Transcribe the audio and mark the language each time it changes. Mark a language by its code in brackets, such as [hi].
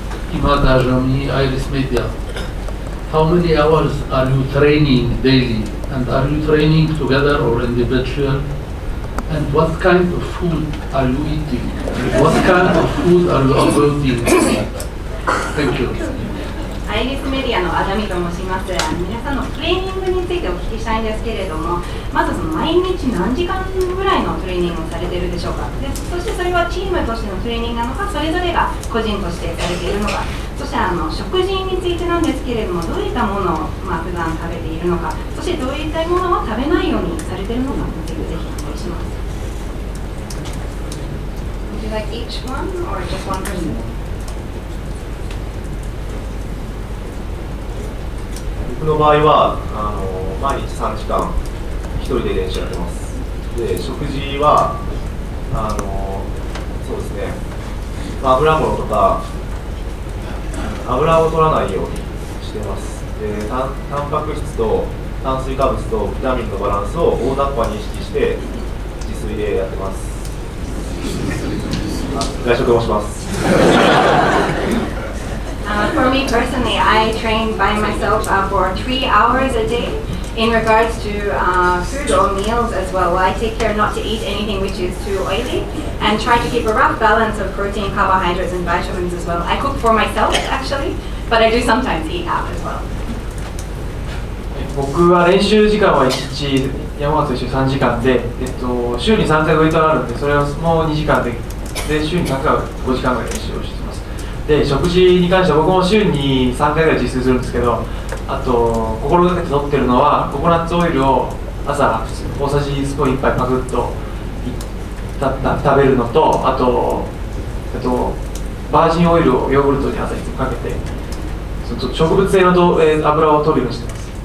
[en] Iman Dajami, Iris Media. How many hours are you training daily? And are you training together or individual? And what kind of food are you eating? What kind of food are you avoiding? Thank you. [ja] アイリスメディアのアダミです。ミと申します。皆さんのトレーニングについてお聞きしたいんですけれども、まずその毎日何時間ぐらいのトレーニングをされているでしょうか。でそしてそれはチームとしてのトレーニングなのか、それぞれが個人としてされているのか、そしてあの食事についてなんですけれども、どういったものを、まあ、普段食べているのか、そしてどういったものを食べないようにされているのか、ぜひお願いします。 [en] Would you like each one or just one person? [ja] 僕の場合は毎日3時間一人で練習やってます。で食事はそうですね、まあ、油物とか油を取らないようにしてます。でタンパク質と炭水化物とビタミンのバランスを大雑把に意識して自炊でやってます。外食もします。 [en] For me personally, I train by myself for 3 hours a day in regards to food or meals as well. I take care not to eat anything which is too oily and try to keep a rough balance of protein, carbohydrates and vitamins as well. I cook for myself actually, but I do sometimes eat out as well. [ja] 僕は練習時間は1日、山本と一緒3時間で、週に3回ウェイトがあるので、それはもう2時間で、で週に3回は5時間ぐらい練習をしてます。で食事に関しては僕も週に3回ぐらい実施するんですけど、あと心がけて取ってるのはココナッツオイルを朝大さじスプーン1杯パクッと食べるのと、あと、バージンオイルをヨーグルトに朝にかけて、その植物性の油を取るようにしてます。